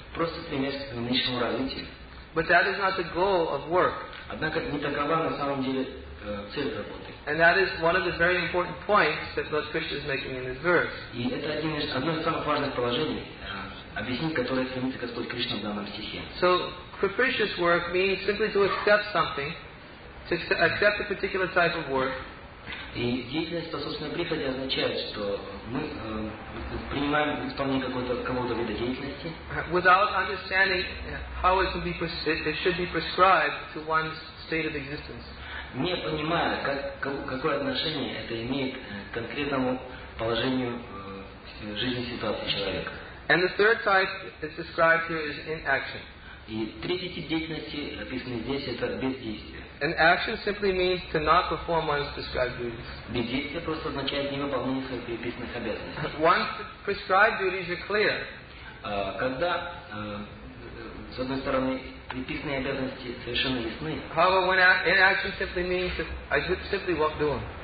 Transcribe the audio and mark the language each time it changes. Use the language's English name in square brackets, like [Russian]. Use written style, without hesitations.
[Russian] Просто стремясь к экономическому развитию. [English] But that is not the goal of work. [Russian] Однако не такова на самом деле цель работы. [English] And that is one of the very important points that Lord Krishna is making in this verse. [Russian] И это одно из самых важных положений, объяснить которое стремится Господь Кришна в данном стихе. [English] So capricious work means simply to accept something, to accept a particular type of work. [Russian] И деятельность по собственной прихоти означает, что мы принимаем исполнение какого-то вида деятельности. [English] Without understanding how it should be prescribed to one's state of existence. [Russian] Не понимая, какое отношение это имеет к конкретному положению жизни ситуации человека. [English] And the third type that's described here is inaction. [Russian] И третий тип деятельности, описанный здесь, это бездействие. [English] An action simply means to not perform one's prescribed duties. [Russian] Бездействие просто означает не выполнение своих предписанных обязанностей. [English] Once prescribed duties are clear, [Russian] когда с одной стороны предписанные обязанности совершенно ясны. [English] However, when inaction simply means that I should simply walk doing.